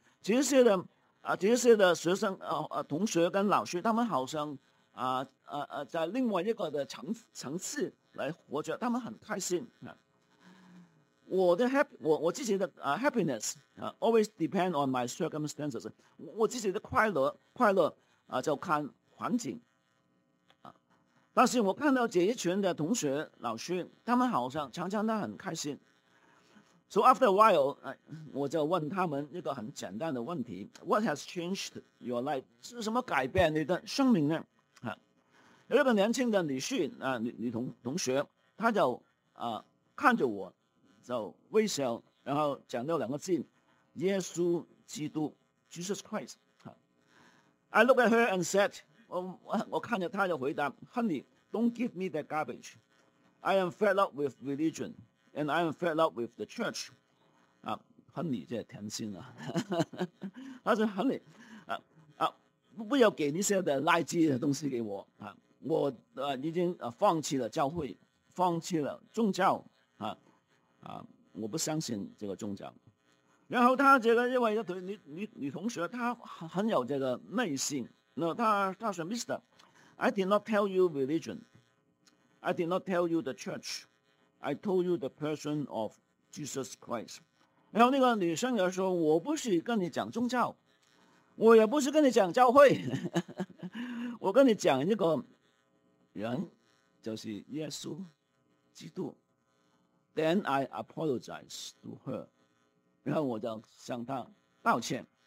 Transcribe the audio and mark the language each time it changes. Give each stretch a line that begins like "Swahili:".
Chinese: 这些的学生同学跟老师，他们好像在另外一个的层次来活着，他们很开心我自己的
English: happiness always depend on my circumstances.
Chinese: 我自己的快乐就看环境但是我看到这一群的同学老师，他们好像常常都很开心。
English: So after a while,
Chinese: 我就问他们一个很简单的问题
English: ：What has changed your life？
Chinese: 是什么改变你的生命呢？有一个年轻的女婿女同学，她就看着我，就微笑，然后讲了两个字：耶稣基督 ，Jesus Christ。
English: I look at her and said。
Chinese: 我看着他就回答
English: Honey, don't give me that garbage. I am fed up with religion and I am fed up with the church.
Chinese: Honey, 这甜心啊。他说 Honey, 不要给那些的垃圾的东西给我。我已经放弃了教会，放弃了宗教。我不相信这个宗教。然后他这个因为女同学他很有这个内心。
English: No,
Chinese: 他说
English: Mr. I did not tell you religion. I did not tell you the church. I told you the person of Jesus Christ.
Chinese: 然后那个女生又说我不是跟你讲宗教，我也不是跟你讲教会，我跟你讲一个人，就是耶稣基督。
English: Then I apologize to her.
Chinese: 然后我就向她道歉。